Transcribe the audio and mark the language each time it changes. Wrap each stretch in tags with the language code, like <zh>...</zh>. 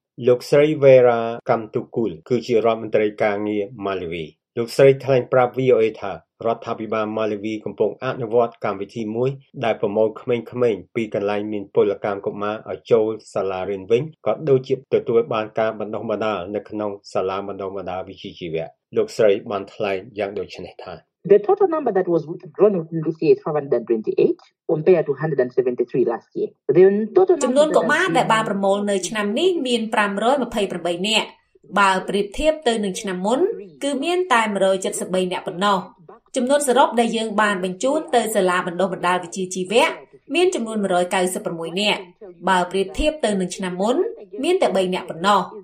<km>លោកស្រីវេរ៉ាកាំទូគូលគឺជារដ្ឋមន្ត្រីការងារម៉ាឡាវីលោកស្រីថ្លែងប្រាប់ VOA ថារដ្ឋាភិបាលម៉ាឡាវីកំពុងអនុវត្តកម្មវិធីមួយដែលប្រមូលក្មេងៗពីកន្លែងមានពលកម្មកុមារឲ្យចូលសាលារៀនវិញក៏ដូចជាទទួលបានការបណ្ដុះបណ្ដាលនៅក្នុងសាលាបណ្ដុះបណ្ដាលវិជ្ជាជីវៈលោកស្រីបានថ្លែងយ៉ាងដូចនេះថា</km> <en>The total number that was withdrawn in this year is 528 compared to 173 last year. The total</en> <km>ចំនួនកុមារដែលបានប្រមូលនៅឆ្នាំនេះមាន528នាក់បើប្រៀបធៀបទៅនឹងឆ្នាំមុនគឺមានតែ173នាក់ប៉ុណ្ណោះ ចំនួនសរុបដែលយើងបានបញ្ជូនទៅសាលាបណ្ដុះបណ្ដាលវិជ្ជាជីវៈមានចំនួន196នាក់បើប្រៀបធៀបទៅនឹងឆ្នាំមុនមានតែ3នាក់ប៉ុណ្ណោះ</km>